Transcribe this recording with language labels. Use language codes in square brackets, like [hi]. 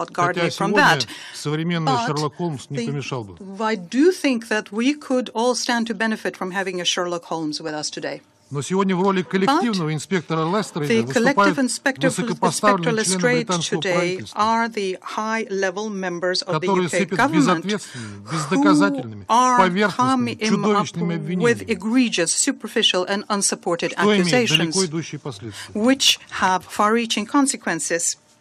[ru] Хотя сегодня современный Шерлок Холмс не помешал бы. [en] I do think that we could all stand to benefit from having a Sherlock Holmes with us today. [ru] Но сегодня в роли коллективного инспектора Лестрейда выступают высокопоставленные члены британского правительства, которые сыпят безответственными, бездоказательными, поверхностными, чудовищными обвинениями, что имеет далеко идущие последствия.